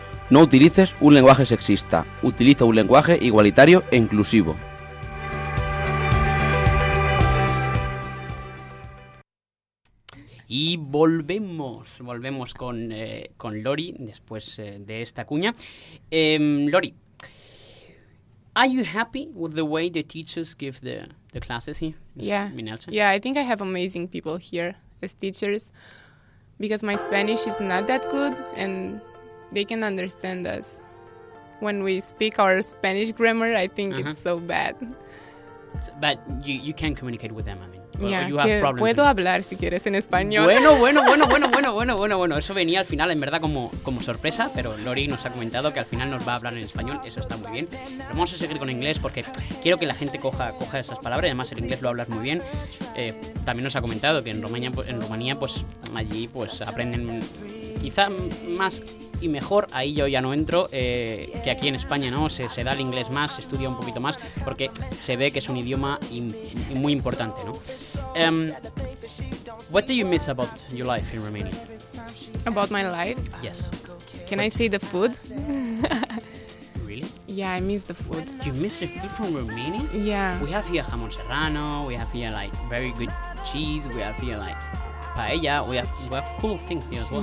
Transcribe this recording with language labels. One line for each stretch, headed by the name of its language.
Spanish: No utilices un lenguaje sexista. Utiliza un lenguaje igualitario e inclusivo. Y volvemos con Lori después de esta cuña.
English: Lori, are you happy with the way the teachers give the classes here? Yeah, I think I have amazing people here. As teachers, because my Spanish is not that good and they can understand us. When we speak our Spanish grammar, I think uh-huh. It's so bad. But you can communicate with them, I mean.
Spanish: Puedo hablar si quieres en español. Bueno. Eso venía al final, en verdad, como sorpresa. Pero Lori nos ha comentado que al final nos va a hablar en español. Eso está muy bien. Pero vamos a seguir con inglés porque quiero que la gente coja esas palabras. Además, el inglés lo hablas muy bien. También nos ha comentado que en Rumanía, pues allí pues aprenden quizá más y mejor. Ahí yo ya no entro. Que aquí en España, ¿no? Se da el inglés más, se estudia un poquito más porque se ve que es un idioma muy importante, ¿no?
English: What do you miss about your life in Romania? About my life? Yes. Can I see the food? Really? Yeah, I miss the food. You miss the food from Romania? Yeah. We have here jamón serrano, we have here like very good cheese, we have here like paella, we have cool things here as well.